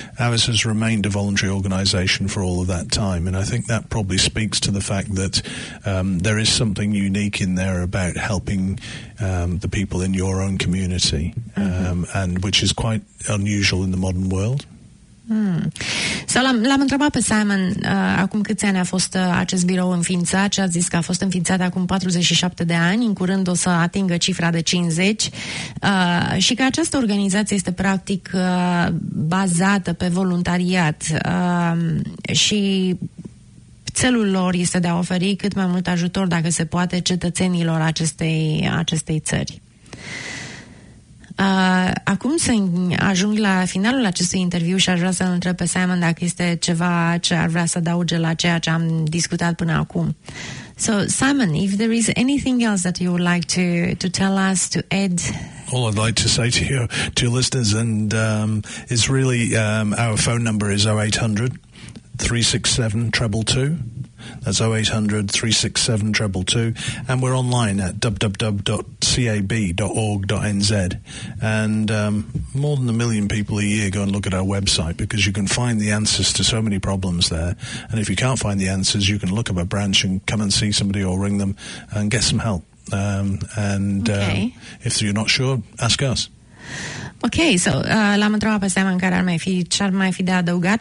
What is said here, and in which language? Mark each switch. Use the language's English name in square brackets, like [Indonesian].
[English] Ours has remained a voluntary organisation for all of that time, and I think that probably speaks to the fact that there is something unique in there about helping the people in your own community, and which is quite unusual in the modern world. [Romanian] So l-am întrebat pe Simon acum câți ani a fost acest birou înființat și a zis că a fost înființat acum 47 de ani, în curând o să atingă cifra de 50, și că această organizație este practic bazată pe voluntariat, și țelul lor este de a oferi cât mai mult ajutor, dacă se poate, cetățenilor acestei țări. Acum să ajung la finalul acestui interviu și aș vrea să-l întreb pe Simon dacă este ceva ce ar vrea să adauge la ceea ce am discutat până acum. [English] So, Simon, if there is anything else that you would like to tell us, to add... All I'd like to say to your listeners, and it's really, our phone number is 0800-367-222. That's 0800-367-222, and we're online at www.cab.org.nz, and more than a million people a year go and look at our website, because you can find the answers to so many problems there. And if you can't find the answers, you can look up a branch and come and see somebody or ring them and get some help, if you're not sure, ask us. [Romanian] Ok, so l-am întrebat pe Simon ce ar mai fi de adăugat.